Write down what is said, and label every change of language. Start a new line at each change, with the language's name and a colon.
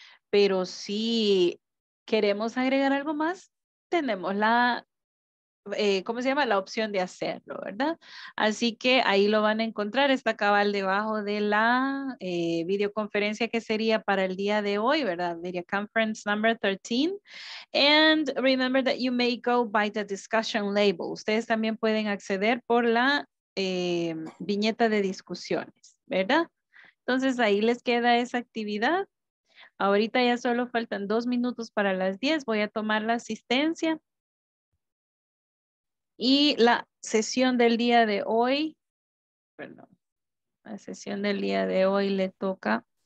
Spanish: Pero si queremos agregar algo más, tenemos la, ¿cómo se llama? La opción de hacerlo, ¿verdad? Así que ahí lo van a encontrar, está cabal debajo de la videoconferencia que sería para el día de hoy, ¿verdad?
English: Video conference number 13. And remember that you may go by the discussion label.
Spanish: Ustedes también pueden acceder por la viñeta de discusiones, ¿verdad? Entonces ahí les queda esa actividad. Ahorita ya solo faltan 2 minutos para las 10. Voy a tomar la asistencia. Y la sesión del día de hoy, perdón, la sesión del día de hoy le toca.